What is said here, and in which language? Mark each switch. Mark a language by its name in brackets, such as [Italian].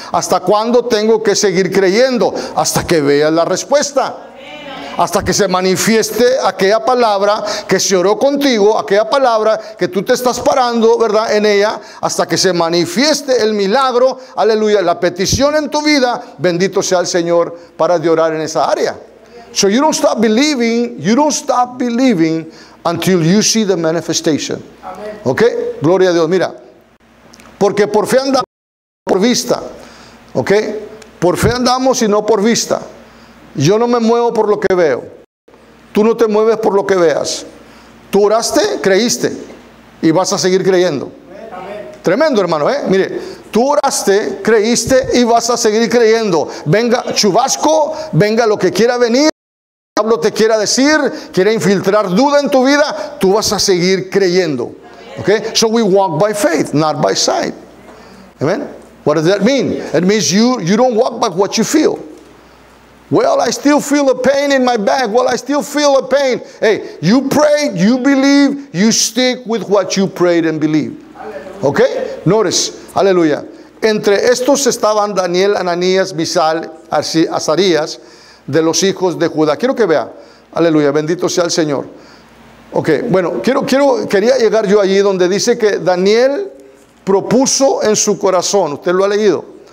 [Spanish] ¿Hasta cuándo tengo que seguir creyendo? Hasta que vea la respuesta. Hasta que se manifieste aquella palabra que se oró contigo, aquella palabra que tú te estás parando, ¿verdad?, en ella, hasta que se manifieste el milagro, aleluya, la petición en tu vida, bendito sea el Señor, para de orar en esa área. [English] So you don't stop believing until you see the manifestation. [Spanish] ¿Ok? Gloria a Dios, mira. Porque por fe andamos, por vista. ¿Ok? Por fe andamos y no por vista. Yo no me muevo por lo que veo. Tú no te mueves por lo que veas. Tú oraste, creíste. Y vas a seguir creyendo. Amén. Tremendo, hermano, ¿eh? Mire, tú oraste, creíste y vas a seguir creyendo. Venga chubasco, venga lo que quiera venir. El diablo te quiera decir, quiera infiltrar duda en tu vida. Tú vas a seguir creyendo. ¿Ok? [English] So we walk by faith, not by sight. Amen. What does that mean? It means you don't walk by what you feel. Well, I still feel a pain in my back. Well, I still feel a pain. Hey, you pray, you believe, you stick with what you prayed and believe. Okay? Notice, aleluya. [Spanish] Entre estos estaban Daniel, Ananías, Misael, Azarías, de los hijos de Judá. Quiero que vea. Aleluya, bendito sea el Señor. Okay, bueno, quería llegar yo allí donde dice que Daniel propuso en su corazón. Usted lo ha leído.